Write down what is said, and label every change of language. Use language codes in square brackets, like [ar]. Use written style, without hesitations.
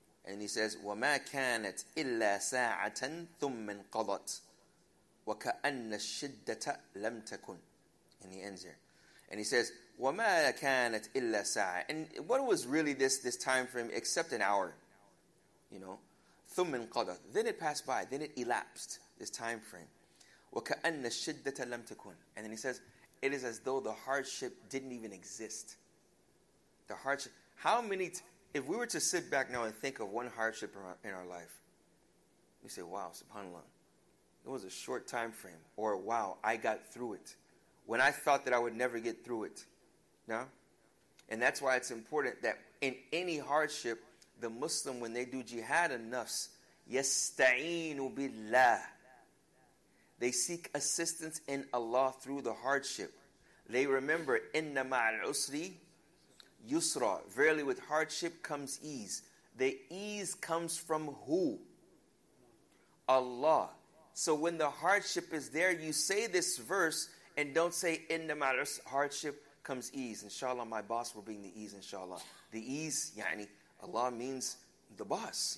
[en] And he says, [ar] وَمَا كَانَتْ إِلَّا سَاعَةً ثُمَّ انْقَضَتْ وَكَأَنَّ الشِّدَّةَ لَمْ تَكُنْ. [en] And he ends here. And he says, [ar] وَمَا كَانَتْ إِلَّا سَاعَةً. [en] And what was really this time frame except an hour? You know, [ar] ثُمَّ انْقَضَتْ. [en] Then it passed by. Then it elapsed, this time frame. [ar] وَكَأَنَّ الشِّدَّةَ لَمْ تَكُنْ. [en] And then he says, it is as though the hardship didn't even exist. The hardship. How many, if we were to sit back now and think of one hardship in our life, we say, wow, subhanAllah. It was a short time frame. Or, wow, I got through it. When I thought that I would never get through it. No? And that's why it's important that in any hardship, the Muslim, when they do jihad enough, [ar] yasta'inu billah. [en] They seek assistance in Allah through the hardship. They remember, [ar] إِنَّ مَعَ الْعُسْرِ يُسْرَى. [en] Verily with hardship comes ease. The ease comes from who? Allah. So when the hardship is there, you say this verse and don't say, [ar] إِنَّ مَعَ الْعُسْرِ [en] hardship comes ease. Inshallah, my boss will bring the ease, inshallah. The ease, yani, Allah means the boss.